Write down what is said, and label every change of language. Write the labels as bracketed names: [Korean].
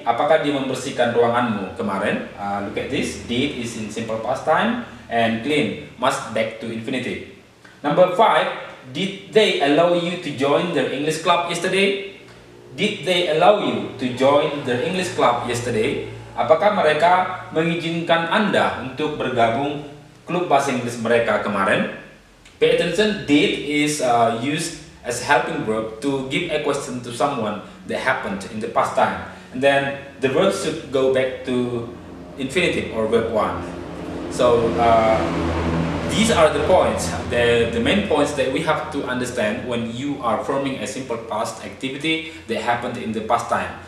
[Indonesian] Apakah dia membersihkan ruanganmu kemarin? [English] Look at this, did is in simple past time, and clean must back to infinitive. Number 5, did they allow you to join their English club yesterday? Did they allow you to join their English club yesterday? [Indonesian] Apakah mereka mengizinkan Anda untuk bergabung klub bahasa Inggris mereka kemarin? [English] Pay attention, did is used as helping verb to give a question to someone that happened in the past time. And then the verb should go back to infinitive or verb 1. So these are the points, the main points that we have to understand when you are forming a simple past activity that happened in the past time.